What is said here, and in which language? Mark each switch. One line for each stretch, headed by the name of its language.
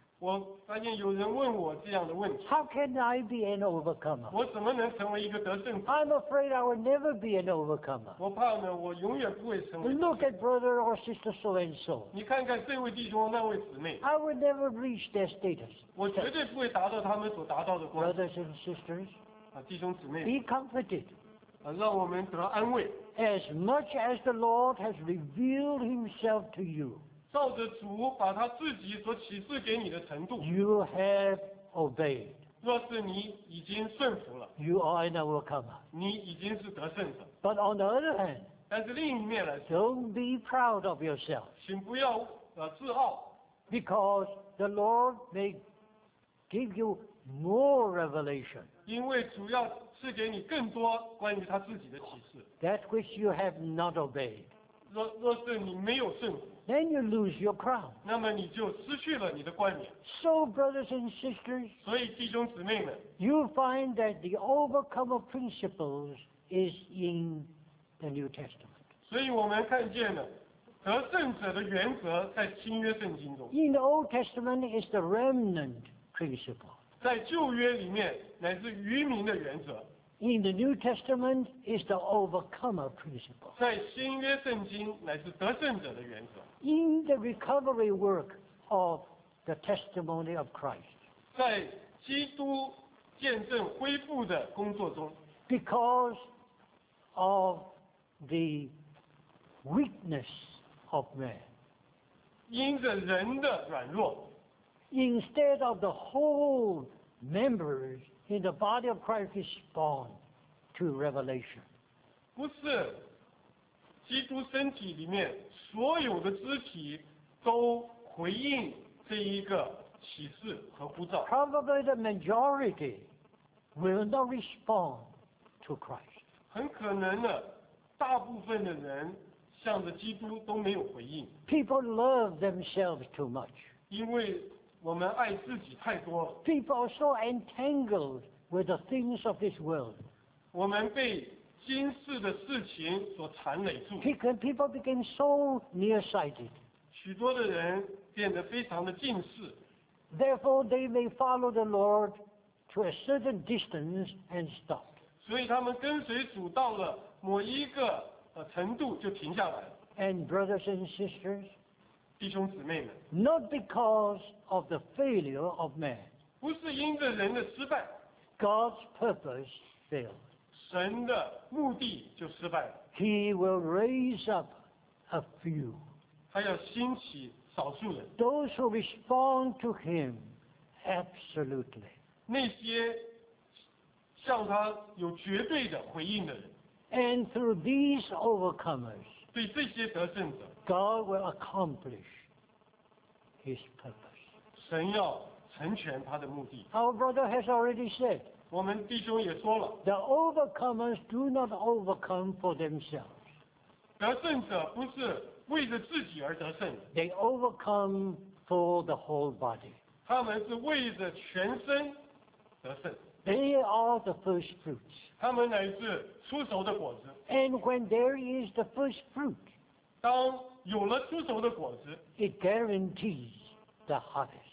Chinese: 我发现有人问我这样的问题。
English: How can I be an overcomer?
Chinese: 我怎么能成为一个得胜者
English: ？I'm afraid I will never be an overcomer.
Chinese: 我怕呢，我永远不会成为。
English: Look at brother or sister so and so.
Chinese: 你看看这位弟兄那位姊妹。
English: I will never reach their status.
Chinese: 我绝对不会达到他们所达到的光。
English: Brothers and sisters.
Chinese: 弟兄姊妹。
English: Be comforted.
Chinese: 让我们得安慰。
English: As much as the Lord has revealed Himself to you,
Chinese: 照着主把他自己所启示给你的程度
English: ，you have obeyed.
Chinese: 若是你已经顺服了
English: ，you are an overcomer.
Chinese: 你已经是得胜者。
English: But on the other hand,
Chinese: 但是另一面来说
English: ，don't be proud of yourself.
Chinese: 请不要自傲
English: ，because the Lord may give you more revelation.
Chinese: 因为主要赐给你更多关于他自己的启示。
English: That which you have not obeyed.
Chinese: 若是你没有顺服
English: then you lose your crown.
Chinese: 那么你就失去了你的冠冕。
English: So, brothers and sisters,
Chinese: 所以弟兄姊妹们
English: you find that the overcomer principles is in the New Testament.
Chinese: 所以我们看见了得胜者的原则在新约圣经中。
English: In the Old Testament is the remnant principle.
Chinese: 在旧约里面乃是余民的原则。
English: In the New Testament is the overcomer principle.
Chinese: 在新约圣经乃是得胜者的原则。
English: In the recovery work of the testimony of Christ.
Chinese: 在基督见证恢复的工作中。
English: Because of the weakness of man.
Chinese: 因着人的软弱。
English: Instead of the whole members in the body of Christ respond. To revelation.
Chinese: 不是基督身体里面所有的肢体都回应这一个启示和呼召。
English: Probably the majority will not respond to Christ.
Chinese: 很可能呢，大部分的人向着基督都没有回应。
English: People love themselves too much.
Chinese: 因为我们爱自己太多了。
English: People are so entangled with the things of this world.
Chinese: 我们被今世的事情所缠累住。
English: People became so nearsighted.
Chinese: 许多的人变得非常的近视。
English: Therefore, they may follow the Lord to a certain distance and stop.
Chinese: 所以他们跟随主到了某一个程度就停下来了。
English: And brothers and sisters,
Chinese: 弟兄姊妹们
English: ，Not because of the failure of man.
Chinese: 不是因着人的失败。
English: God's purpose failed.
Chinese: 神的目的就失败了。
English: He will raise up a few.
Chinese: 他要兴起少数人。
English: Those who respond to him absolutely.
Chinese: 那些向他有绝对的回应的人。
English: And through these overcomers,
Chinese: 对这些得胜者
English: God will accomplish his purpose.
Chinese: 神要成全他的目的。
English: Our brother has already said.
Chinese: 我们弟兄也说了
English: ，The overcomers do not overcome for themselves.
Chinese: 得胜者不是为着自己而得胜的。
English: They overcome for the whole body.
Chinese: 他们是为着全身得胜。
English: They are the first fruits.
Chinese: 他们乃是出熟的果子。
English: And when there is the first fruit,
Chinese: 当有了出熟的果子
English: ，it guarantees the harvest.